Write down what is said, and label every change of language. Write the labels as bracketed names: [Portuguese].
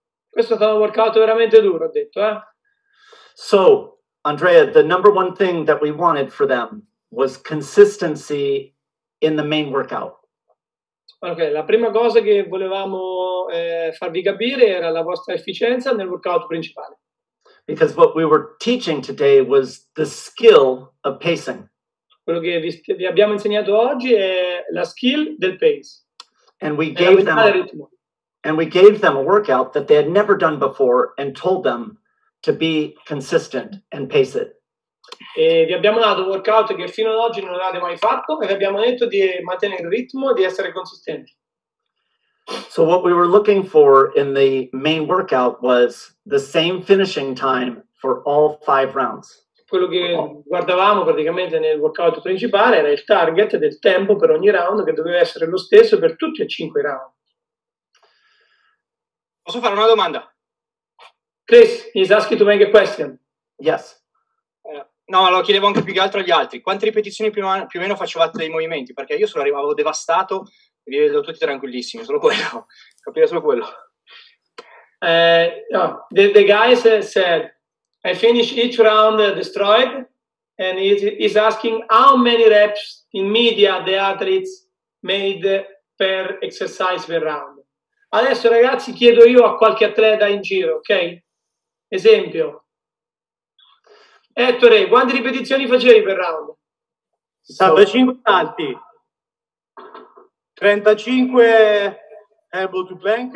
[Italian] Questo è stato un workout veramente duro, ho detto, eh? [English] So, Andrea, the number one thing that we wanted for them was consistency in the main workout. [Italian] Ok, la prima cosa che volevamo farvi capire era la vostra efficienza nel workout principale. [English] Because what we were teaching today was the skill of pacing. [Italian] Quello che vi abbiamo insegnato oggi è la skill del pace. [English] And we gave them a ritmo. And we gave them a workout that they had never done before and told them to be consistent and pace it. [Italian] E vi abbiamo dato un workout che fino ad oggi non avevate mai fatto e vi abbiamo detto di mantenere il ritmo e di essere consistenti. [English] So what we were looking for in the main workout was the same finishing time for all 5 rounds. [Italian] Quello che guardavamo praticamente nel workout principale era il target del tempo per ogni round che doveva essere lo stesso per tutti e 5 round. Posso fare una domanda? [English] Chris, he's asking to make a question. Yes. [Italian] No, lo chiedevo anche più che altro agli altri. Quante ripetizioni più o meno facevate dei movimenti? Perché io sono arrivato devastato e vi vedo tutti tranquillissimi. Solo quello. Capire solo quello. No. [English] The guys said, I finish each round destroyed and he's asking how many reps in media the athletes made per exercise per round. [Italian] Adesso, ragazzi, chiedo io a qualche atleta in giro, ok? Esempio. Ettore, quante ripetizioni facevi per round? 75 salti. 35 elbow to plank.